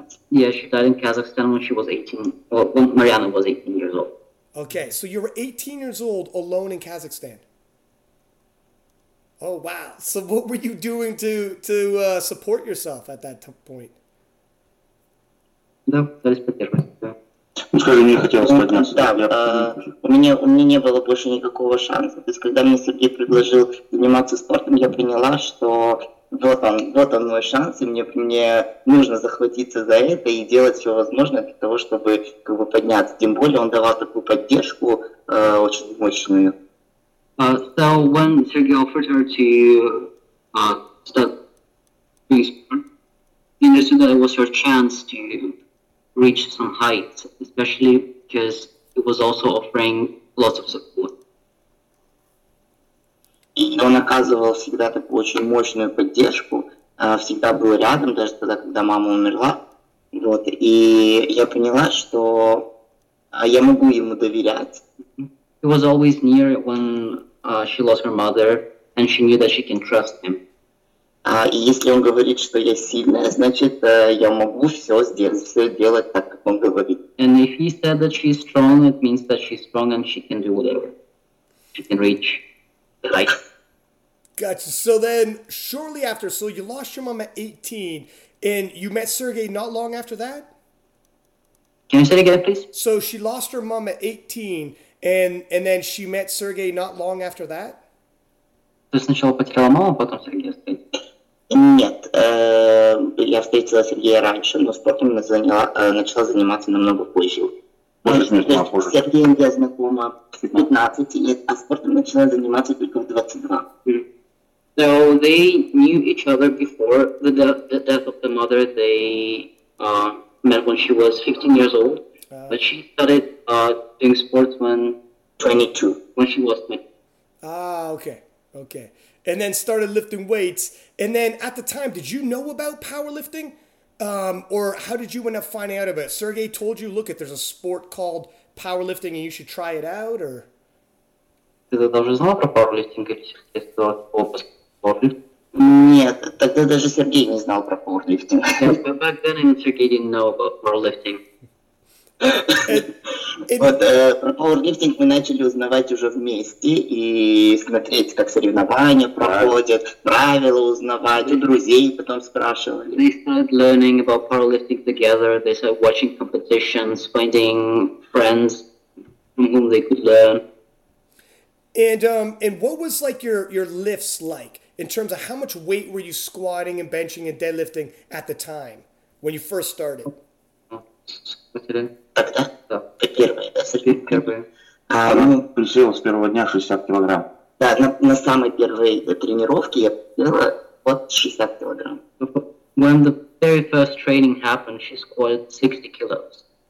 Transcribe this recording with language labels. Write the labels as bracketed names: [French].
[English] Yeah, she died in Kazakhstan when she was 18. Well, when Mariana was 18 years old. Okay, so you were 18 years old alone in Kazakhstan. Oh, wow. So what were you doing to support yourself at that point? No, that is pretty good. [Russian] Ну, скажи, не хотелось подняться. Да, у меня не было больше никакого шанса. То есть, когда мне Сергей предложил заниматься спортом, я поняла, что вот он мой шанс, и мне нужно захватиться за это и делать все возможное для того, чтобы как бы подняться. Тем более он давал такую поддержку очень мощную. [English] So when Sergey offered her to start doing sport, he understood that it was her chance to reach some heights, especially because it was also offering lots of support. [Russian] И он оказывал всегда такую очень мощную поддержку, всегда был рядом, даже тогда, когда мама умерла. Вот, и я поняла, что я могу ему доверять. [English] He was always near when she lost her mother, and she knew that she can trust him. [Russian] И если он говорит, что я сильная, значит, я могу все делать так, как он говорит. [English] And if he said that she's strong, it means that she's strong and she can do whatever. She can reach the height. Gotcha. So then, shortly after, so you lost your mom at 18, and you met Sergey not long after that? Can you say it again, please? So she lost her mom at 18, and then she met Sergey not long after that? [Russian] Ты сначала потеряла маму, потом Сергей? Нет, я встретила Сергея раньше, но спортом начала заниматься намного позже. Сергеем я знакома в 15 лет, а спортом начала заниматься только в 22. [English] So they knew each other before the death of the mother. They met when she was 15 years old, but she started doing sports when 22, when she was 20. Ah, okay. And then started lifting weights. And then at the time, did you know about powerlifting? Or how did you end up finding out about it? Sergey told you, look, there's a sport called powerlifting and you should try it out, or? [Russian] Ты даже знал про powerlifting, говоришь, что Нет, тогда даже Сергей не знал про пауэрлифтинг. [English] But back then, Сергей didn't know about пауэрлифтинг. [Russian] Вот про пауэрлифтинг мы начали узнавать уже вместе и смотреть, как соревнования проходят, правила узнавать, у друзей потом спрашивали. [English] They started learning about powerlifting together. They started watching competitions, finding friends from whom they could learn. And what was like your lifts like in terms of how much weight were you squatting and benching and deadlifting at the time when you first started? [Russian] Прицел с первого дня 60 килограмм. Да, на самой первой тренировке я было вот 60 килограмм. [English] When the very first training happened, she squatted 60 kilos.